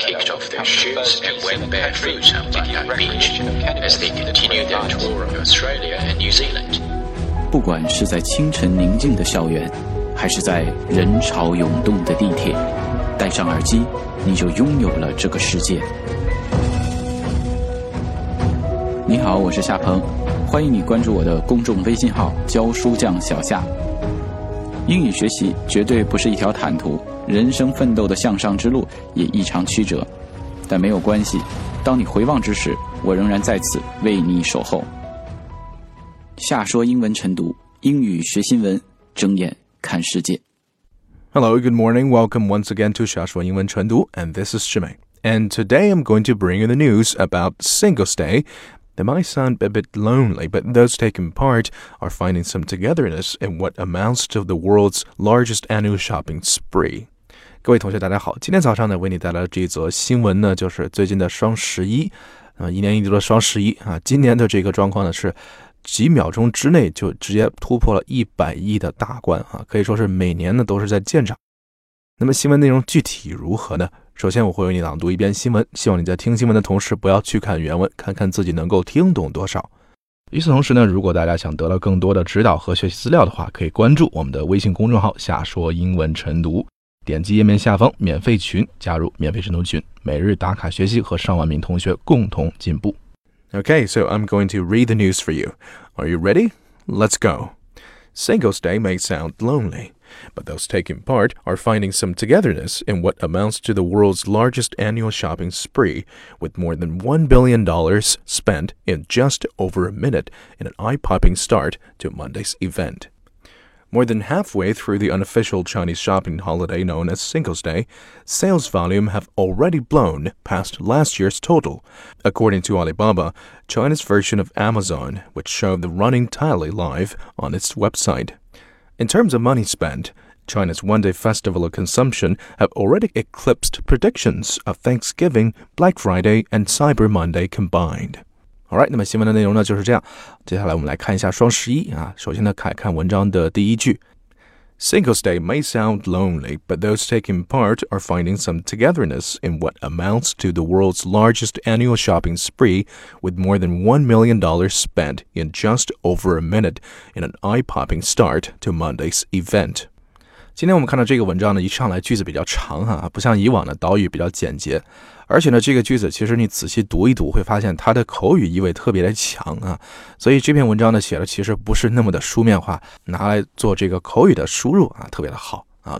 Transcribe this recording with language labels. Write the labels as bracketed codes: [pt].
[en] kicked off their shoes and went barefoot on Bondi Beach as they continued their tour of Australia and New Zealand. [zh] 不管是在清晨宁静的校园，还是在人潮涌动的地铁，戴上耳机，你就拥有了这个世界。你好，我是夏鹏，欢迎你关注我的公众微信号教书匠小夏。英语学习绝对不是一条坦途，人生奋斗的向上之路也异常曲折，但没有关系，当你回望之时，我仍然在此为你守候。夏说英文晨读，英语学新闻，睁眼看世界。 [en] Hello, good morning, welcome once again to 夏说英文晨读, and this is Shimei. And today I'm going to bring you the news about Singles Day. They might sound a bit lonely, but those taking part are finding some togetherness in what amounts to the world's largest annual shopping spree. [zh] 各位同学大家好，今天早上呢为你带来的这一则新闻呢就是最近的双十一，一年一度的双十一，今年的这个状况呢是几秒钟之内就直接突破了100亿的大关，可以说是每年呢都是在见长。那么新闻内容具体如何呢？首先我会为你朗读一遍新闻，希望你在听新闻的同时不要去看原文，看看自己能够听懂多少。与此同时呢，如果大家想得到更多的指导和学习资料的话，可以关注我们的微信公众号夏说英文晨读，点击页面下方免费群，加入免费晨读群，每日打卡学习和上万名同学共同进步。 [en] Okay, so I'm going to read the news for you. Are you ready? Let's go. Singles Day may sound lonely. But those taking part are finding some togetherness in what amounts to the world's largest annual shopping spree, with more than $1 billion spent in just over a minute in an eye-popping start to Monday's event. More than halfway through the unofficial Chinese shopping holiday known as Singles Day, sales volume have already blown past last year's total, according to Alibaba, China's version of Amazon, which showed the running tally live on its website. In terms of money spent, China's one-day festival of consumption have already eclipsed predictions of Thanksgiving, Black Friday, and Cyber Monday combined. All right, [zh] 那么新闻的内容呢就是这样。接下来我们来看一下双十一啊。首先呢，看文章的第一句。 [en] Singles Day may sound lonely, but those taking part are finding some togetherness in what amounts to the world's largest annual shopping spree with more than $1 million spent in just over a minute in an eye-popping start to Monday's event. [zh] 今天我们看到这个文章呢，一上来句子比较长啊，不像以往的导语比较简洁。而且呢，这个句子其实你仔细读一读会发现它的口语意味特别的强啊，所以这篇文章呢写的其实不是那么的书面化，拿来做这个口语的输入啊特别的好啊。